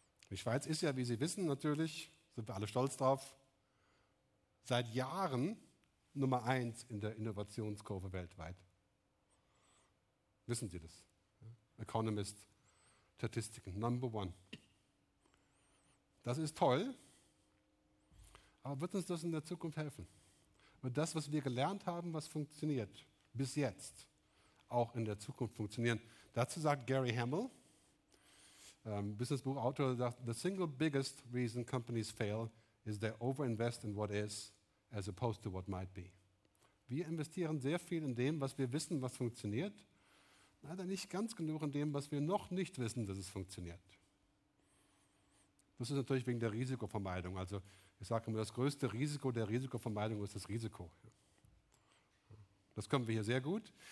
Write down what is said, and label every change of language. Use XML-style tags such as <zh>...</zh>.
<de>Die Schweiz ist ja, wie Sie wissen natürlich, sind wir alle stolz drauf, seit Jahren Nummer 1 in der Innovationskurve weltweit. Wissen Sie das? Economist, Statistiken, Number 1. Das ist toll, aber wird uns das in der Zukunft helfen? Wird das, was wir gelernt haben, was funktioniert, bis jetzt auch in der Zukunft funktionieren? Dazu sagt Gary Hamel, Businessbuchautor, sagt,</de> <en>the single biggest reason companies fail is they overinvest in what is as opposed to what might be.</en> <de>Wir investieren sehr viel in dem, was wir wissen, was funktioniert, leider nicht ganz genug in dem, was wir noch nicht wissen, dass es funktioniert. Das ist natürlich wegen der Risikovermeidung. Also ich sage immer, das größte Risiko der Risikovermeidung ist das Risiko. Das können wir hier sehr gut.</de>